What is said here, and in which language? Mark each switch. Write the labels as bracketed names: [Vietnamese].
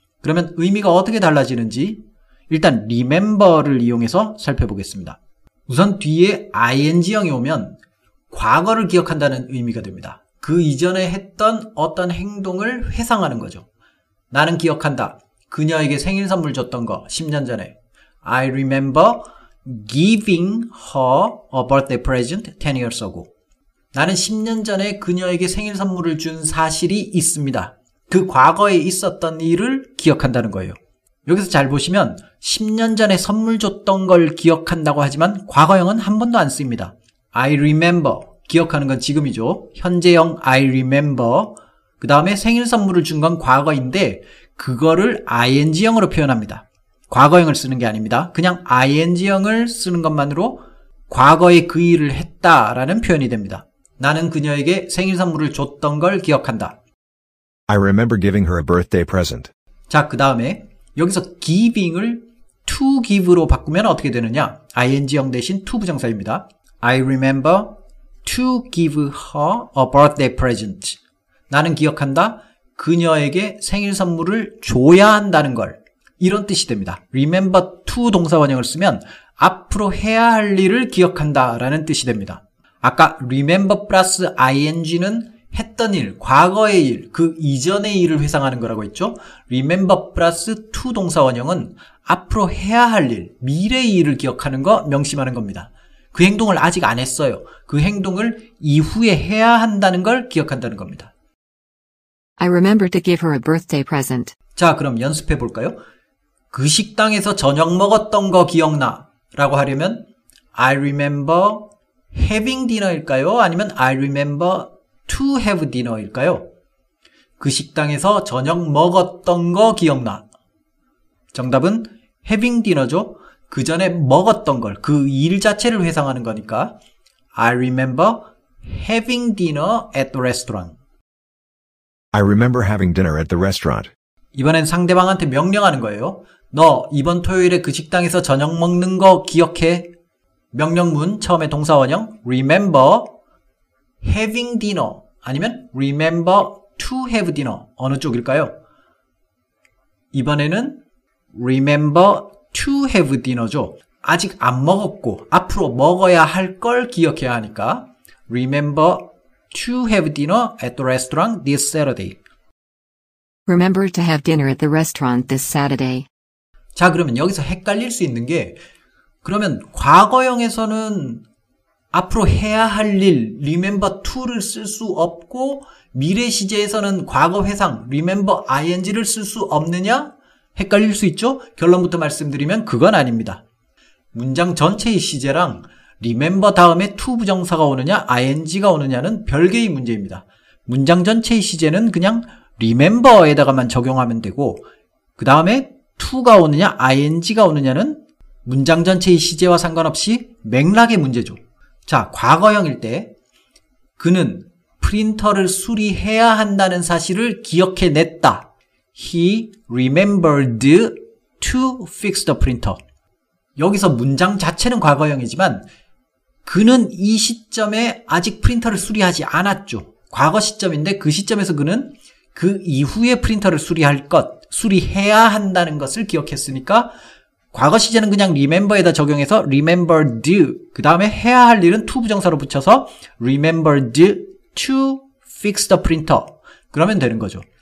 [Korean] 그러면 의미가 어떻게 달라지는지 일단 remember를 이용해서 살펴보겠습니다. 우선 뒤에 ing형이 오면 과거를 기억한다는 의미가 됩니다. 그 이전에 했던 어떤 행동을 회상하는 거죠. 나는 기억한다. 그녀에게 생일 선물 줬던 거 10년 전에. [English] I remember giving her a birthday present 10 years ago. [Korean] 나는 10년 전에 그녀에게 생일 선물을 준 사실이 있습니다. 그 과거에 있었던 일을 기억한다는 거예요. 여기서 잘 보시면 10년 전에 선물 줬던 걸 기억한다고 하지만 과거형은 한 번도 안 씁니다. [English] I remember. [Korean] 기억하는 건 지금이죠. [English] 현재형 I remember. [Korean] 그 다음에 생일 선물을 준 건 과거인데 그거를 ing형으로 표현합니다. 과거형을 쓰는 게 아닙니다. 그냥 ing형을 쓰는 것만으로 과거에 그 일을 했다라는 표현이 됩니다. 나는 그녀에게 생일 선물을 줬던 걸 기억한다. [English] I remember giving her a birthday present. [Korean] 자, 그 다음에 여기서 giving을 to give로 바꾸면 어떻게 되느냐? ing형 대신 to 부정사입니다. [English] I remember to give her a birthday present. [Korean] 나는 기억한다. 그녀에게 생일 선물을 줘야 한다는 걸. 이런 뜻이 됩니다. remember to 동사 원형을 쓰면 앞으로 해야 할 일을 기억한다 라는 뜻이 됩니다. 아까 remember plus ing는 했던 일, 과거의 일, 그 이전의 일을 회상하는 거라고 했죠. remember plus to 동사 원형은 앞으로 해야 할 일, 미래의 일을 기억하는 거 명심하는 겁니다. 그 행동을 아직 안 했어요. 그 행동을 이후에 해야 한다는 걸 기억한다는 겁니다. [English] I remember to give her a birthday present. [Korean] 자, 그럼 연습해 볼까요? 그 식당에서 저녁 먹었던 거 기억나? 라고 하려면 [English] I remember having dinner [Korean] 일까요? 아니면 [English] I remember to have dinner [Korean] 일까요? 그 식당에서 저녁 먹었던 거 기억나? 정답은 [English] having dinner [Korean] 죠. 그 전에 먹었던 걸, 그 일 자체를 회상하는 거니까 [English] I remember having dinner at the restaurant. I remember having dinner at the restaurant. [Korean] 이번엔 상대방한테 명령하는 거예요. 너 이번 토요일에 그 식당에서 저녁 먹는 거 기억해? 명령문 처음에 동사 원형 [English] remember having dinner [Korean] 아니면 [English] remember to have dinner [Korean] 어느 쪽일까요? 이번에는 [English] remember to have dinner [Korean] 죠. 아직 안 먹었고 앞으로 먹어야 할 걸 기억해야 하니까 [English] remember to have dinner at the restaurant this Saturday. Remember to have dinner at the restaurant this Saturday. [Korean] 자, 그러면 여기서 헷갈릴 수 있는 게 그러면 과거형에서는 앞으로 해야 할 일, remember to를 쓸 수 없고 미래 시제에서는 과거 회상, remember ing를 쓸 수 없느냐? 헷갈릴 수 있죠? 결론부터 말씀드리면 그건 아닙니다. 문장 전체의 시제랑 remember 다음에 to 부정사가 오느냐, ing가 오느냐는 별개의 문제입니다. 문장 전체의 시제는 그냥 remember에다가만 적용하면 되고 그 다음에 to가 오느냐, ing가 오느냐는 문장 전체의 시제와 상관없이 맥락의 문제죠. 자, 과거형일 때 그는 프린터를 수리해야 한다는 사실을 기억해냈다. [English] He remembered to fix the printer. [Korean] 여기서 문장 자체는 과거형이지만 그는 이 시점에 아직 프린터를 수리하지 않았죠. 과거 시점인데 그 시점에서 그는 그 이후에 프린터를 수리할 것, 수리해야 한다는 것을 기억했으니까 과거 시제는 그냥 remember에다 적용해서 remembered, 그 다음에 해야 할 일은 to 부정사로 붙여서 [English] remembered to fix the printer [Korean] 그러면 되는 거죠.